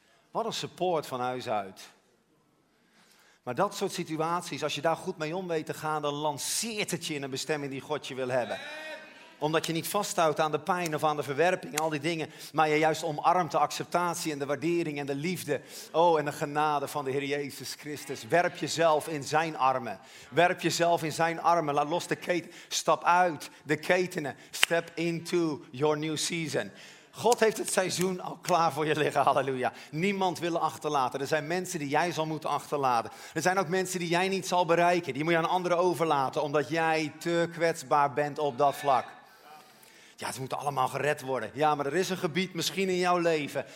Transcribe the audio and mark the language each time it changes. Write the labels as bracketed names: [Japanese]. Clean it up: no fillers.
[Dutch] Wat een support van huis uit. Maar dat soort situaties, als je daar goed mee om weet te gaan, dan lanceert het je in een bestemming die God je wil hebben. Omdat je niet vasthoudt aan de pijn of aan de verwerping, al die dingen. Maar je juist omarmt de acceptatie en de waardering en de liefde. Oh, en de genade van de Heer Jezus Christus. Werp jezelf in zijn armen. Werp jezelf in zijn armen. Laat los de keten. Stap uit de ketenen. [English] Step into your new season. [Dutch] God heeft het seizoen al klaar voor je liggen, halleluja. Niemand wil achterlaten. Er zijn mensen die jij zal moeten achterlaten. Er zijn ook mensen die jij niet zal bereiken. Die moet je aan anderen overlaten, omdat jij te kwetsbaar bent op dat vlak. Ja, het moet allemaal gered worden. Ja, maar er is een gebied misschien in jouw leven.